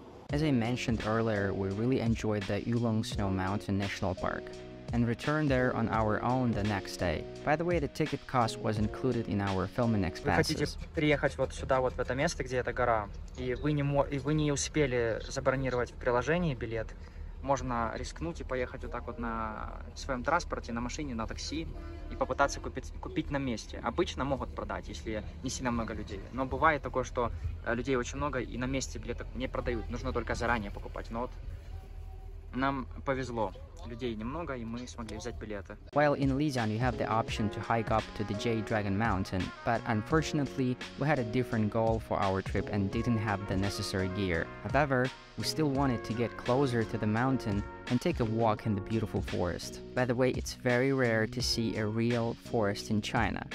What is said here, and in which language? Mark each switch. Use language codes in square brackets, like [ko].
[en] As I mentioned earlier, we really enjoyed the Yulong Snow Mountain National Park and returned there on our own the next day. By the way, the ticket cost was included in our filming expenses. [ru] Вы хотите приехать вот сюда, вот в это место, где эта гора, и вы не успели забронировать в приложении билет, можно рискнуть и поехать вот так вот на своем транспорте, на машине, на такси и попытаться купить на месте. Обычно могут продать, если не сильно много людей. Но бывает такое, что людей очень много и на месте билеты не продают. Нужно только заранее покупать. Но вот Нам повезло. Людей немного, и мы смогли взять билеты. [en] While in Lijiang, you have the option to hike up to the Jade Dragon Mountain, but unfortunately, we had a different goal for our trip and didn't have the necessary gear. However, we still wanted to get closer to the mountain and take a walk in the beautiful forest. By the way, it's very rare to see a real forest in China.